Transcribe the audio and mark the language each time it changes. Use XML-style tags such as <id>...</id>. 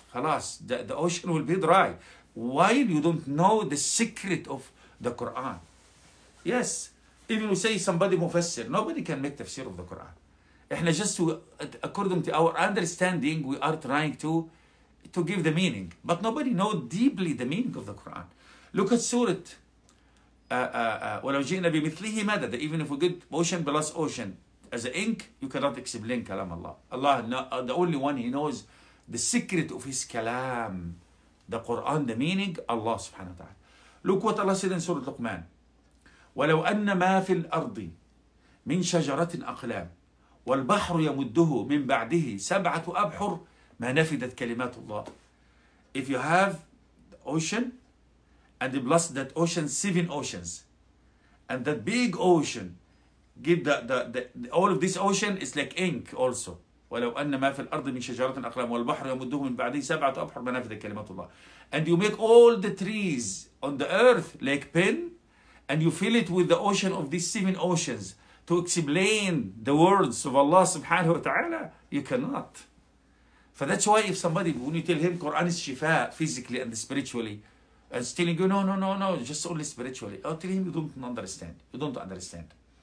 <en>خلاص, the ocean will be dry. While you don't know the secret of the Quran. Yes, even we say somebody مفسر, nobody can make tafsir of the Quran. احنا just according to our understanding, we are trying to give the meaning. But nobody knows deeply the meaning of the Quran. Look at Surah,</en> <ar>ولو جئنا بمثله مدد.</ar> <en>Even if we get ocean plus ocean, as an ink, you cannot explain kalam Allah. Allah, the only one he knows the secret of his kalam, the Quran, the meaning, Allah subhanahu wa ta'ala. Look what Allah said in Surah Luqman.</en> <ar>وَلَوْ أَنَّ مَا فِي الْأَرْضِ مِنْ شَجَرَةٍ أَقْلَامٍ وَالْبَحْرُ يَمُدُّهُ مِنْ بَعْدِهِ سَبْعَةُ أَبْحُرٍ مَا نَفِدَتْ كَلِمَاتُ اللَّهِ.</ar> <en>If you have the ocean, and you bless that ocean, seven oceans, and that big ocean, give the all of this ocean is like ink also.</en> <ar>ولو أن ما في الأرض من شجرة أقلام والبحر يمده من بعده سبعة أبحر ما نافذ كلمة الله.</ar> <en>And you make all the trees on the earth like pen, and you fill it with the ocean of these seven oceans to explain the words of Allah سبحانه وتعالى. You cannot. For that's why if somebody, when you tell him Quran is shifa physically and spiritually, and telling you no, just only spiritually, I'll tell him you don't understand.</en>